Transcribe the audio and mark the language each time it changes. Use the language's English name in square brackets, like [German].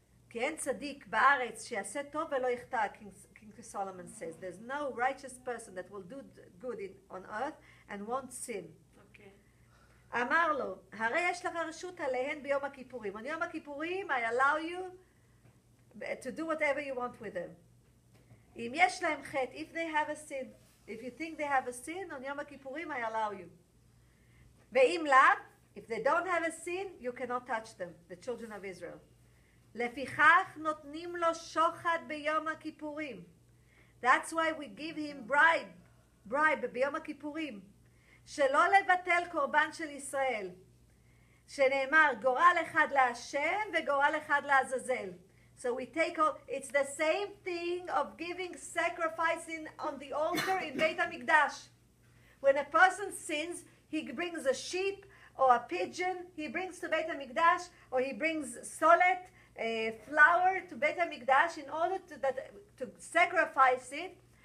[Hebrew] כי אין צדיק בארץ שיעשה טוב ולא יחטא, [English] King Solomon says. There's no righteous person that will do good on earth and won't sin. [Hebrew] אמר לו, הרי יש לך רשות עליהן ביום הכיפורים. [English] On יום הכיפורים, I allow you to do whatever you want with them. [Hebrew] אם יש להם חטא, [English] if they have a sin, if you think they have a sin, on יום הכיפורים, I allow you. [Hebrew] ואם לא, [English] if they don't have a sin, you cannot touch them, the children of Israel. [Hebrew] לפיכך נותנים לו שוחד ביום הכיפורים. [English] That's why we give him bribe ביום הכיפורים. [Hebrew] שלא לבטל קורבן של ישראל, שנאמר גורל אחד להשם וגורל אחד לעזאזל. [English] So we take all, it's the same thing of giving sacrifice on the altar in Beit HaMikdash. When a person sins, he brings a sheep or a pigeon, he brings to Beit HaMikdash, or he brings solet, flour to Beit HaMikdash in order to sacrifice it.